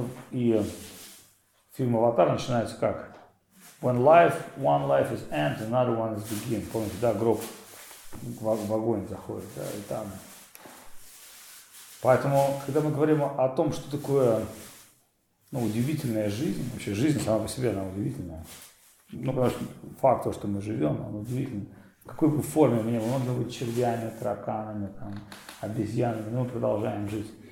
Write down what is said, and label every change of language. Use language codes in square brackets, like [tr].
[ru] И фильм «Аватар» начинается как? [en] When life, one life is end, another one is begin. [ru] Помните, да, гроб в огонь заходит, да, и там. Поэтому, когда мы говорим о том, что такое, ну, удивительная жизнь, вообще жизнь сама по себе, она удивительная. Ну, потому что факт того, что мы живем, он удивительный. В какой бы форме мы ни были, можно быть червями, тараканами, там, обезьянами, мы продолжаем жить.